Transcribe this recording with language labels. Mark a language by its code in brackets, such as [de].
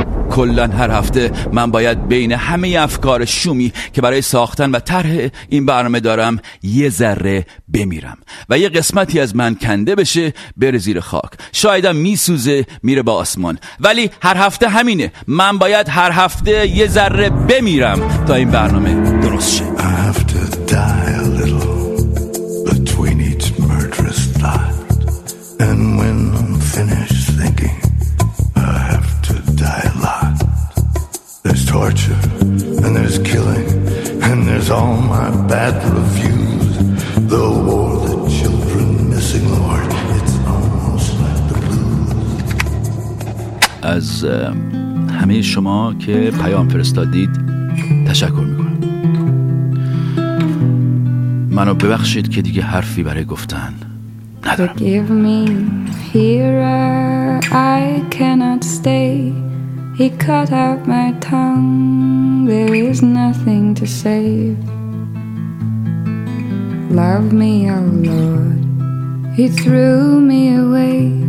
[fa] کلن هر هفته من باید بین همه افکار شومی که برای ساختن و طرح این برنامه دارم یه ذره بمیرم و یه قسمتی از من کنده بشه بره زیر خاک، شایدم میسوزه میره با آسمان، ولی هر هفته همینه. من باید هر هفته یه ذره بمیرم تا این برنامه درست شه. [en] I have to die a little between each murderous thought and when I'm finished thinking I have to die a lot. There's torture, and there's killing, and there's all my bad reviews. The war, the children missing, Lord, it's almost like the blues. [fa] از همه شما که پیام فرستادید تشکر میکنم. منو ببخشید که دیگه حرفی برای گفتن ندارم. [en] Forgive me, hearer, I cannot stay. He cut out my tongue, there is nothing to save. Love me, O Lord, He threw me away.